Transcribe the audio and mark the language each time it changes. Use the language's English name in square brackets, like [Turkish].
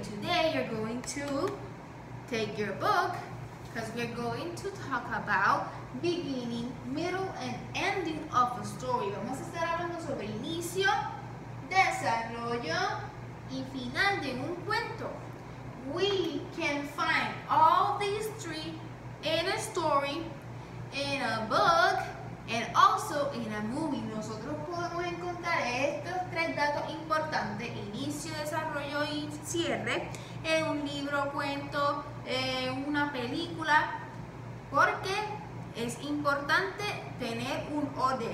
[English] Today you're going to take your book because we're going to talk about beginning, middle, and ending of a story. [Spanish] Vamos a estar hablando sobre el inicio, desarrollo y final de un cuento. [English] We can find all these three in a story, in a book, and also in a movie. [Spanish] Nosotros podemos encontrar estos tres datos importantes, inicio, desarrollo y cierre, en un libro, cuento, en una película, porque es importante tener un orden.